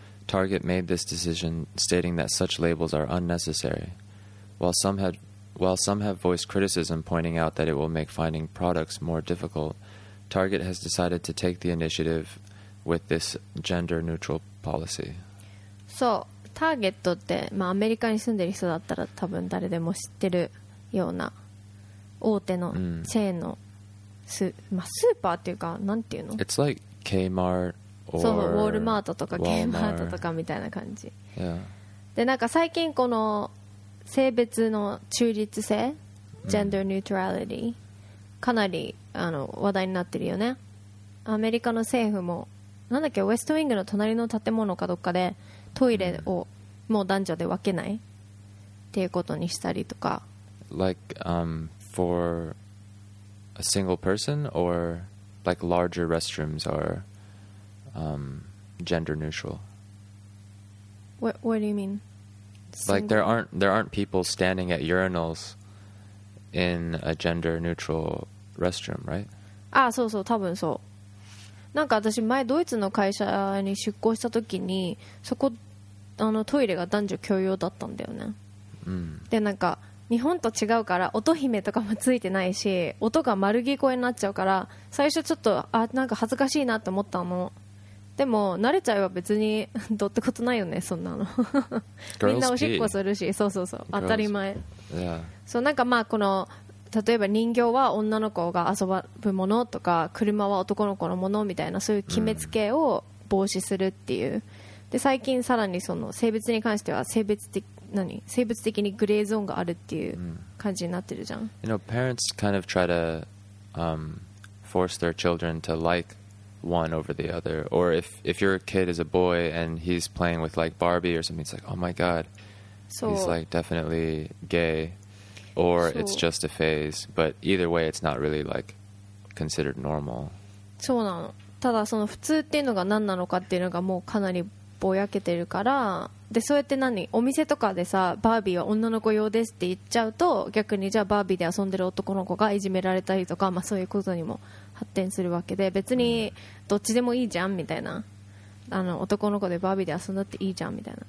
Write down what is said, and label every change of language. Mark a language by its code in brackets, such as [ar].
[en] Target made this decision, stating that such labels are unnecessary. While some have voiced criticism, pointing out that it will make finding products more difficult, Target has decided to take the initiative with this gender-neutral policy. So. [ja] ターゲットって、まあ、アメリカに住んでる人だったら多分誰でも知ってるような大手のチェーンの まあ、スーパーっていうか、なんていうの、 [en] It's like Kmart or [ja] ウォールマートとか Kmart とかみたいな感じ、 [en] yeah. [ja] で、なんか最近この性別の中立性、Gender Neutrality、かなりあの話題になってるよね。アメリカの政府もなんだっけ、ウェストウィングの隣の建物かどっかでトイレをもう男女で分けないっていうことにしたりとか、 [en] Like、for a single person or like larger restrooms are、gender neutral. What do you mean?、 Single? Like there aren't people standing at urinals in a gender neutral restroom, right? [ja] あ、そうそう、多分そう。なんか私前ドイツの会社に出向した時に、そこあのトイレが男女共用だったんだよね、うん、でなんか日本と違うから音姫とかもついてないし、音が丸聞こえになっちゃうから最初ちょっと、あ、なんか恥ずかしいなって思ったの。でも慣れちゃえば別にどうってことないよね、そんなのみんなおしっこするし、そうそうそう、当たり前、 [en] yeah. [ja] そう、なんかまあこの例えば人形は女の子が遊ぶものとか、車は男の子のものみたいな、そういう決めつけを防止するっていう、うん、で最近さらにその性別に関しては性別的にグレーゾーンがあるっていう感じになってるじゃん。 [en] You know, parents kind of try to、force their children to like one over the other. Or if your kid is a boy and he's playing with like Barbie or something, it's like, oh my god, he's like definitely gay. Or it's just a phase. But either way, it's not really like considered normal. [ja] そうなの。ただその普通っていうのが何なのかっていうのがもうかなりぼやけてるから、でそうやって何お店とかでさ、バービーは女の子用ですって言っちゃうと、逆にじゃあバービーで遊んでる男の子がいじめられたりとか、まあそういうことにも発展するわけで、別にどっちでもいいじゃんみたいな、あの男の子でバービーで遊んだっていいじゃんみたいな。